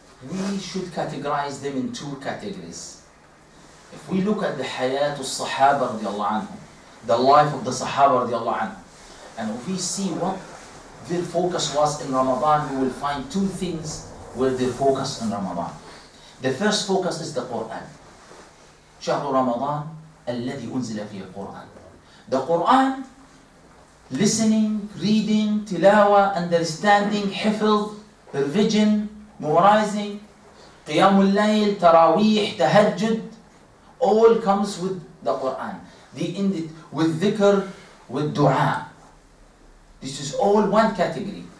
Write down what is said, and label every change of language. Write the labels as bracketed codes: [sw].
[en] We should categorize them in two categories. If we look at the Hayat al-Sahaba radiallahu anhu, the life of the Sahaba radiallahu anhu, and if we see what their focus was in Ramadan, we will find two things where they focus in Ramadan. The first focus is the Quran. [ar] شهر رمضان الذي أنزل فيه القرآن. [en] The Quran, listening, reading, tilawa, understanding, hifz, revision, memorizing, [ar] قيام الليل, تراويح, تهجد, [en] all comes with the Quran. They end it with dhikr, with dua. This is all one category.